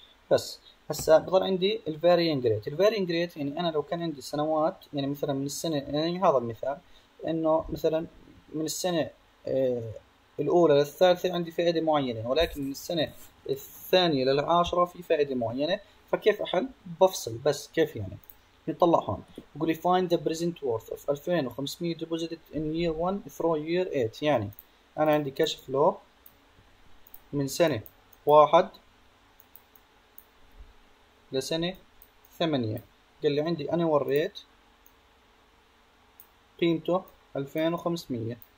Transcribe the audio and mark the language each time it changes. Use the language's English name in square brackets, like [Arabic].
[Arabic] بس هسه بضل عندي الفارينج ريت، الفارينج ريت يعني انا لو كان عندي سنوات، يعني مثلا من السنه، يعني هذا المثال انه مثلا من السنه الاولى للثالثه عندي فائده معينه، ولكن من السنه الثانيه للعاشره في فائده معينه، فكيف احل؟ بفصل بس. كيف يعني؟ نطلع هون بقول لي [English] find the present worth of 2500 deposited in year 1 through year 8. [Arabic] يعني انا عندي كاش فلو من سنه 1 لسنه 8، قال لي عندي انا وريت قيمته 2500.